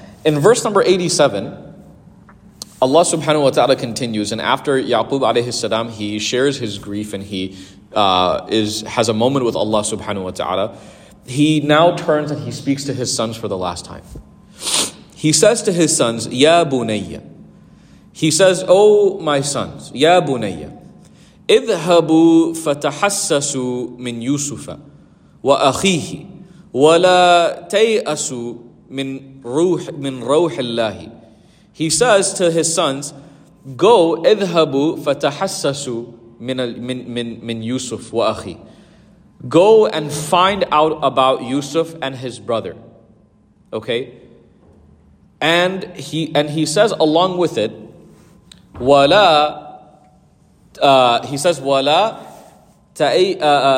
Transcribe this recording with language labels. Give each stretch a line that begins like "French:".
English: In verse number 87, Allah subhanahu wa ta'ala continues, and after Ya'qub alayhi salam, he shares his grief and he has a moment with Allah subhanahu wa ta'ala. He now turns and he speaks to his sons for the last time. He says to his sons, Ya Bunayya. He says, Oh my sons, Ya Bunayya.
Arabic: اذهبوا فتحسسوا من يوسف وأخيه ولا تيأسوا من روح الله.
English: He says to his sons, go,
Arabic: اذهبوا فتحسسوا من يوسف وأخي.
English: Go and find out about Yusuf and his brother. Okay? And he says along with it, وَلَا he says, "Wala ta'asu."